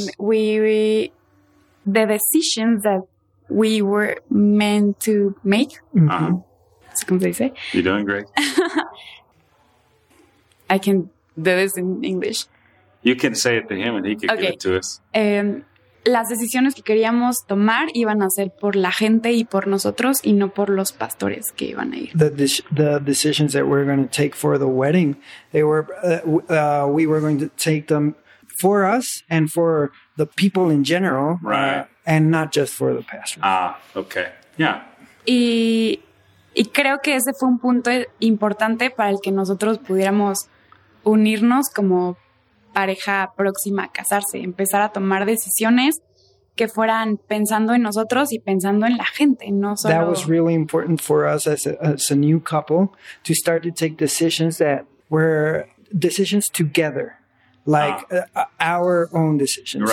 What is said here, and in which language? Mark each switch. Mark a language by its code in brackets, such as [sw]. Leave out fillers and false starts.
[en] yes. The decisions that we were meant to make. Uh-huh. Mm-hmm. So can they say? You're doing great. I can do this in English. You can say it to him and he can give it to us. [es] Las decisiones que queríamos tomar iban a ser por la gente y por nosotros y no por los pastores que iban a ir. [en] The decisions that we're going to take for the wedding, we were going to take them for us and for the people in general. Right. And not just for the pastor. Ah, okay. Yeah. [es] Y creo que ese fue un punto importante para el que nosotros pudiéramos unirnos como pareja próxima a casarse, empezar a tomar decisiones que fueran pensando en nosotros y pensando en la gente, no solo. [en] That was really important for us as a new couple to start to take decisions that were decisions together, like our own decisions,